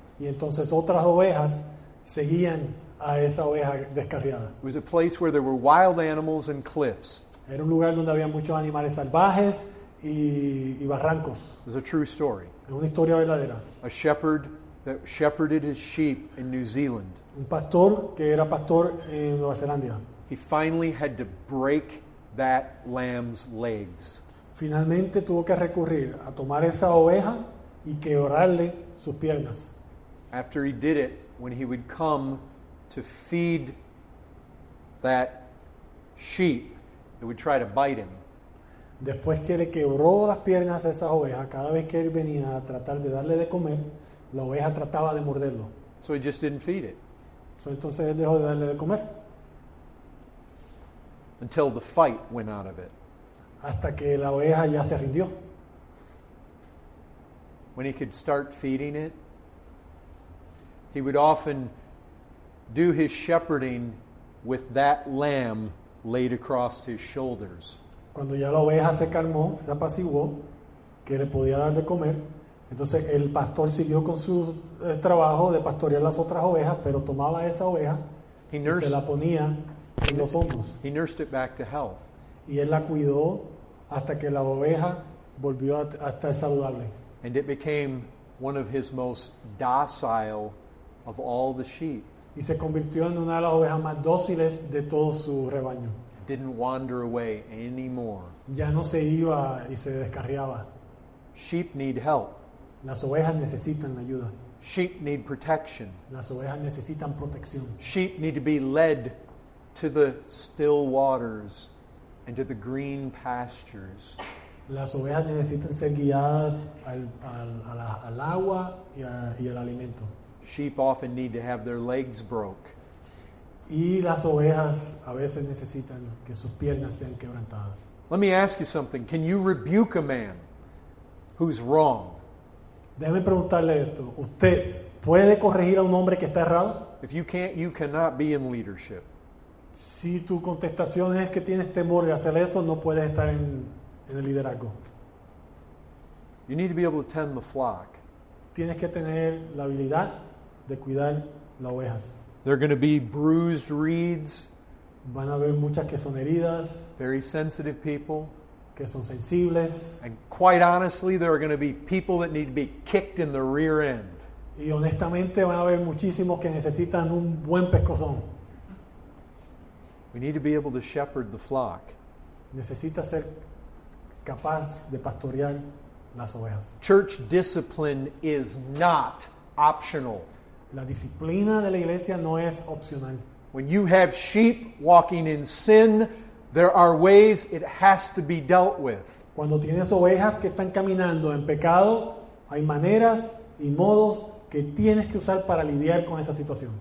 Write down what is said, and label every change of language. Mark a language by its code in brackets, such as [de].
[es] Y entonces otras ovejas seguían a esa oveja descarriada. [en] It was a place where there were wild animals and cliffs. [es] Era un lugar donde había muchos animales salvajes y barrancos. [en] It was a true story. [es] Es una historia verdadera. [en] A shepherd that shepherded his sheep in New Zealand. [es] Un pastor que era pastor en Nueva Zelanda. [en] He finally had to break that lamb's legs. [es] Finalmente tuvo que recurrir a tomar esa oveja y quebrarle sus piernas. [en] After he did it, when he would come to feed that sheep, it would try to bite him. [es] Después que le quebró las piernas a esa oveja, cada vez que él venía a tratar de darle de comer, la oveja trataba de morderlo. [en] So he just didn't feed it. [es] So entonces él dejó de darle de comer. [en] Until the fight went out of it. [es] Hasta que la oveja ya se rindió. [en] When he could start feeding it, he would often do his shepherding with that lamb laid across his shoulders. [es] Cuando ya la oveja se calmó, se apaciguó, que le podía dar de comer, entonces el pastor siguió con su trabajo de pastorear las otras ovejas, pero tomaba esa oveja y se la ponía en los hombros. [en] He nursed it back to health. [es] Y él la cuidó hasta que la oveja volvió a estar saludable. [en] And it became one of his most docile of all the sheep. [es] Y se convirtió en una de las ovejas más dóciles de todo su rebaño. [en] Didn't wander away anymore. [es] Ya no se iba y se descarriaba. [en] Sheep need help. [es] Las ovejas necesitan ayuda. [en] Sheep need protection. [es] Las ovejas necesitan protección. [en] Sheep need to be led to the still waters and to the green pastures. [es] Las ovejas necesitan ser guiadas al agua y al alimento. [en] Sheep often need to have their legs broke. [es] Y las ovejas a veces necesitan que sus piernas sean quebrantadas. [en] Let me ask you something. Can you rebuke a man who's wrong? [es] Déjeme preguntarle esto. ¿Usted puede corregir a un hombre que está errado? [en] If you can't, you cannot be in leadership. [es] Si tu contestación es que tienes temor de hacer eso, no puedes estar en el liderazgo. [en] You need to be able to tend the flock. [es] Tienes que tener la habilidad de cuidar las ovejas. [en] There are going to be bruised reeds. [es] Van a haber muchas que son heridas. [en] Very sensitive people. [es] Que son sensibles. [en] And quite honestly, there are going to be people that need to be kicked in the rear end. [es] Y honestamente, van a haber muchísimos que necesitan un buen pescozón. [en] We need to be able to shepherd the flock. [es] Necesita ser capaz de pastorear las ovejas. [en] Church discipline is not optional. [es] La disciplina de la iglesia no es opcional. [en] When you have sheep walking in sin, there are ways it has to be dealt with. [es] Cuando tienes ovejas que están caminando en pecado, hay maneras y modos que tienes que usar para lidiar con esa situación.